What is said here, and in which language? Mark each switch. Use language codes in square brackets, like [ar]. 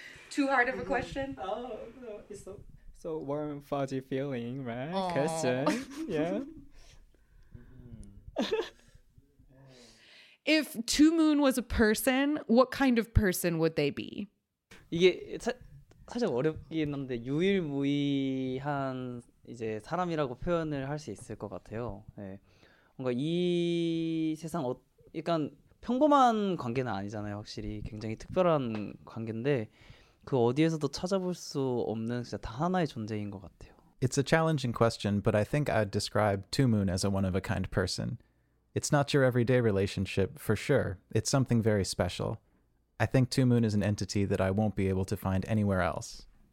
[en] Too hard of a question? Oh, it's so warm, fuzzy feeling, right? Aww. Question, yeah. If Two Moon was a person, what kind of person would they be? [ko] 이게 살짝 어렵긴 한데 유일무이한 이제 사람이라고 표현을 할 수 있을 것 같아요. 네. 뭔가 이 세상 약간 평범한 관계는 아니잖아요. 확실히 굉장히 특별한 관계인데. 그 어디에서도 찾아볼 수 없는 진짜 다 하나의 존재인 것 같아요. [en] It's a challenging question, but I think I'd describe Two Moon as a one-of-a-kind person. It's not your everyday relationship, for sure. It's something very special. I think Two Moon is an entity that I won't be able to find anywhere else.